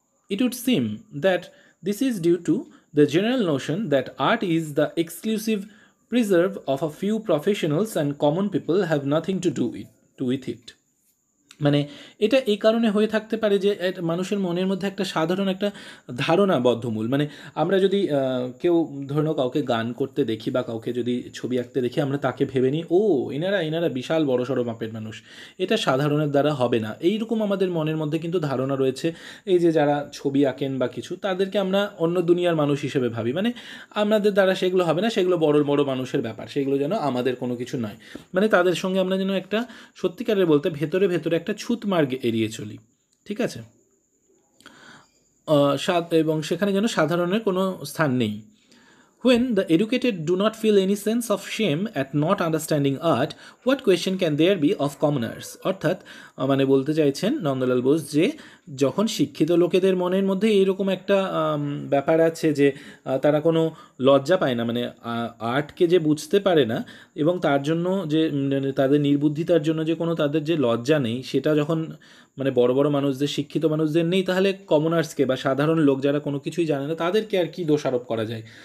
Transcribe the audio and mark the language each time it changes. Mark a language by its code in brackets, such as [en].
[en] It would seem that this is due to the general notion that art is the exclusive preserve of a few professionals and common people have nothing to do with it. [bn] মানে এটা এই কারণে হয়ে থাকতে পারে যে মানুষের মনের মধ্যে একটা সাধারণ একটা ধারণা বদ্ধমূল, মানে আমরা যদি কেউ ধরুন কাউকে গান করতে দেখি বা কাউকে যদি ছবি আঁকতে দেখি, আমরা তাকে ভেবে নিই ও ইনারা বিশাল বড় সড় মাপের মানুষ, এটা সাধারণের দ্বারা হবে না, এইরকম আমাদের মনের মধ্যে কিন্তু ধারণা রয়েছে। এই যে যারা ছবি আঁকেন বা কিছু, তাদেরকে আমরা অন্য দুনিয়ার মানুষ হিসেবে ভাবি, মানে আমাদের দ্বারা সেগুলো হবে না, সেগুলো বড় বড় মানুষের ব্যাপার, সেগুলো যেন আমাদের কোনো কিছু নয়, মানে তাদের সঙ্গে আমরা যেন একটা সত্যিকারের বলতে ভেতরে ভেতরে একটা একটা ছুত মার্গে এড়িয়ে চলি, ঠিক আছে, এবং সেখানে যেন সাধারণের কোনো স্থান নেই। [en] When the educated do not feel any sense of shame at not understanding art, what question can there be of commoners? [bn] অর্থাৎ মানে বলতে চাইছেন নন্দলাল বোস যে যখন শিক্ষিত লোকেদের মনের মধ্যে এইরকম একটা ব্যাপার আছে যে তারা কোনো লজ্জা পায় না, মানে আর্টকে যে বুঝতে পারে না এবং তার জন্য যে মানে তাদের নির্বুদ্ধিতার জন্য যে কোনো তাদের যে লজ্জা নেই সেটা যখন মানে বড় বড় মানুষদের শিক্ষিত মানুষদের নেই, তাহলে কমনার্সকে বা সাধারণ লোক যারা কোনো কিছুই জানে না তাদেরকে আর কি দোষারোপ করা যায়?